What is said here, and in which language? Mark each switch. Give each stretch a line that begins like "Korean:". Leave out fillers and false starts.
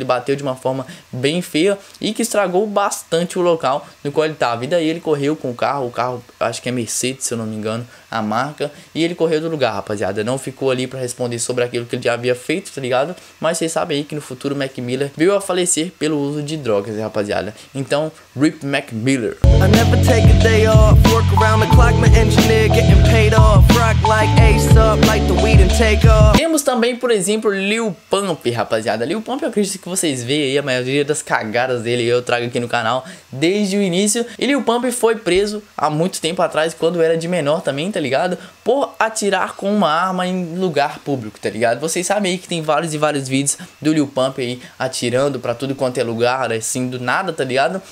Portuguese: Ele bateu de uma forma bem feia e que estragou bastante o local no qual ele estava. E daí ele correu com o carro acho que é Mercedes, se eu não me engano, a marca, e ele correu do lugar, rapaziada. Não ficou ali pra responder sobre aquilo que ele já havia feito, tá ligado? Mas vocês sabem aí que no futuro Mac Miller veio a falecer pelo uso de drogas, rapaziada. Então, RIP Mac Miller.
English: I never take a day off, work around the clock, my engineer getting paid off, rock like A$AP, like the weed and take off.
Portuguese: Temos também, por exemplo, Lil Pump, rapaziada. Lil Pump, eu acredito que vocês veem aí a maioria das cagadas dele, eu trago aqui no canal desde o início. E Lil Pump foi preso há muito tempo atrás, quando era de menor também, tá ligado? Por atirar com uma arma em lugar público, tá ligado? Vocês sabem aí que tem vários e vários vídeos do Lil Pump aí atirando pra tudo quanto é lugar, assim, do nada, tá ligado?